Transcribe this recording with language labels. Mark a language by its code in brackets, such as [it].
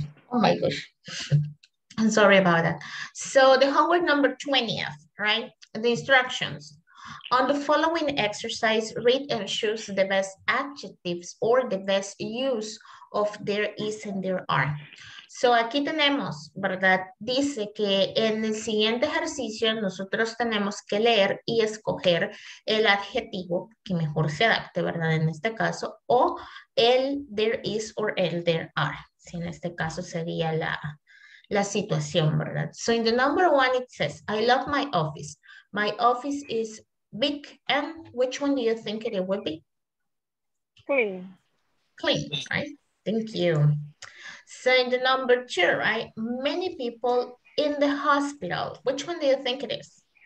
[en] Oh my gosh. I'm sorry about that. So the homework number 20th, right? The instructions. On the following exercise, read and choose the best adjectives or the best use of there is and there are. [es] So aquí tenemos, ¿verdad? Dice que en el siguiente ejercicio nosotros tenemos que leer y escoger el adjetivo que mejor se adapte, ¿verdad? En este caso, o el there is or el there are. Si en este caso sería la situación, ¿verdad? [en] So in the number one it says, I love my office. My office is big. And which one do you think it would be? Clean, right? Thank you. So in the number two, right? Many people in the hospital. Which one do you think it is?